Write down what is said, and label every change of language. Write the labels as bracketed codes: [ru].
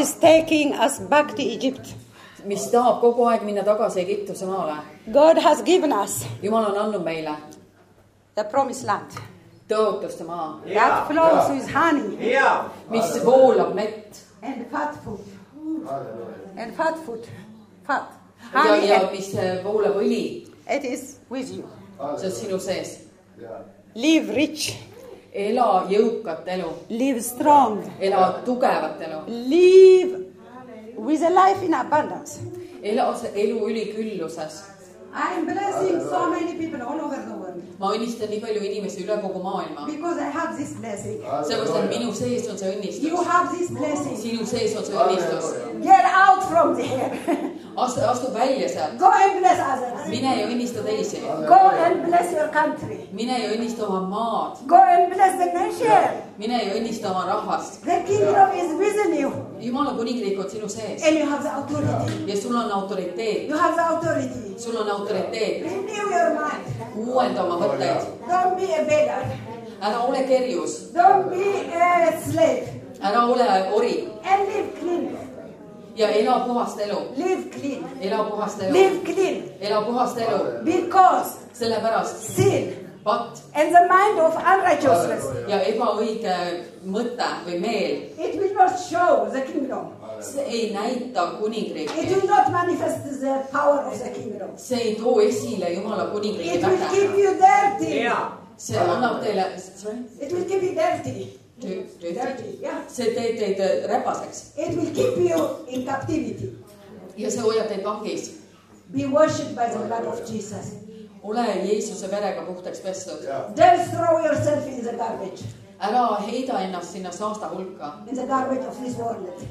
[en] Is taking us back to Egypt. [et] Mis tahab kogu aeg minna tagasi Egiptuse maale. [en] God has given us. [et] Jumal on annud meile. [en] The promised land. [et] Tõotuste maa. [en] Yeah, that flows with honey. Yeah. [et] Mis voolab mett. [en] And fat food. And fat food. Fat. [et] Honey. Ja mis voolab õli. [en] It is with you. [et] See on sinu sees. [en] Yeah. Live rich. [et] Ela jõukat elu. [en] Live strong. [et] Ela tugevat elu. [en] Live with a life in abundance. [et] Elu üliküllusas. [en] I am blessing so many people all over the world. [et] Ma õnnistan nii palju inimesi üle kogu maailma. [en] Because I have this blessing. [et] Sellepärast, et minu sees on see õnnistus. [en] You have this blessing. [et] Sinu sees on see õnnistus. [en] Get out from there. [et] Astu välja sealt. [en] Go and bless others. [et] Mine ja õnnista teisi. [en] Go and bless your country. [et] Mine ja õnnista oma maad. [en] Go and bless the nation. [et] Mine ja õnnista oma rahvast. [en] The kingdom is within you. [et] Jumala kuninglik on sinu sees. [en] And you have the authority. [et] Ja sul on autoriteet. [en] You have the authority. [et] Sul on autoriteet. [en] Renew your mind. [et] Uuenda oma mõtteid. [en] Don't be a beggar. [et] Ära ole kerjus. [en] Don't be a slave. [et] Ära ole ori. [en] And live clean. [et] Ja ela puhast elu. [en] Live clean. [et] Ela puhast elu. [en] Live clean. [et] Ela puhast elu. [en] Because. [et] Sellepärast. [en] Sin. But. And the mind of unrighteousness. [et] Ja ebaõige mõte või meel. [en] It will not show the kingdom. [et] See ei näita kuningriik. [en] It will not manifest the power of the kingdom. [et] See ei too esile Jumala kuningriik. [en] It will keep you dirty. [et] See annab teile. [en] It will keep you dirty. Dirty. Yeah. [et] See teid räpaseks. [en] It will keep you in captivity. [et] Ja see hoiab teid vangis. [en] Be worshipped by the blood of Jesus. [et] Ole Jeesuse verega puhtaks pestud. [en] Don't throw yourself in the garbage. [et] Ära heida ennast sinna saasta hulka. [en] In the garbage of this world.